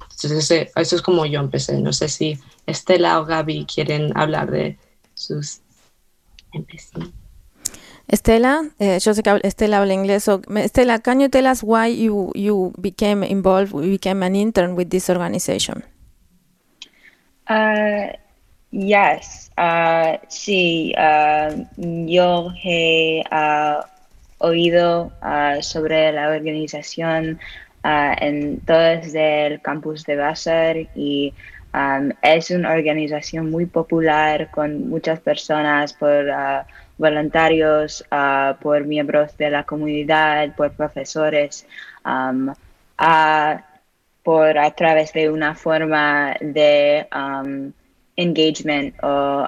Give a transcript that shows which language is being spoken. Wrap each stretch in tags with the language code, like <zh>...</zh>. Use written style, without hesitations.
<es>Entonces, eso es como yo empecé. No sé si Estela o Gaby quieren hablar de sus empecé. Estela, yo sé que Estela habla inglés.</es> <en>So, Estela, can you tell us why you became involved, became an intern with this organization? Yes. Sí.</en> <es>Yo he oído sobre la organización en todos del campus de Vassar y es una organización muy popular con muchas personas, por voluntarios, por miembros de la comunidad, por profesores, por a través de una forma de engagement o</es>